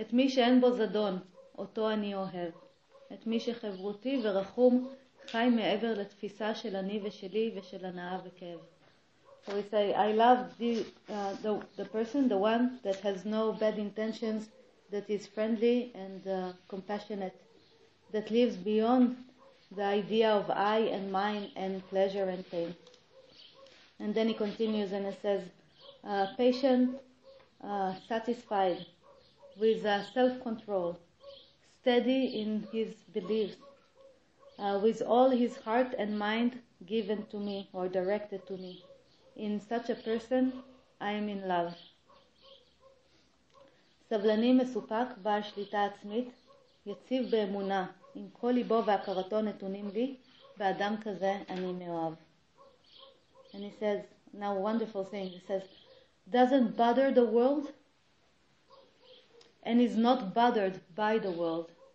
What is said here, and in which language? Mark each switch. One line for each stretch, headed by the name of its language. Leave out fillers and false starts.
Hebrew: את מי שאין בו זדון, אותו אני אוהב. את מי שחברותי ורחום חי מעבר לתפיסה של אני ושלי ושל הנאה וכאב.
English: So we say, I love the person, the one that has no bad intentions, that is friendly and compassionate, that lives beyond the idea of I and mine and pleasure and pain. And then he continues and he says, patient, satisfied, with self-control, steady in his beliefs, with all his heart and mind given to me or directed to me. In such a person, I am in love.
Hebrew: סבלני מסופק, בעל שליטה עצמית, יציב באמונה, עם כל ליבו והכרתו נתונים לי, באדם כזה אני מאוהב.
English: And he says, now a wonderful thing, he says, doesn't bother the world and is not bothered by the world.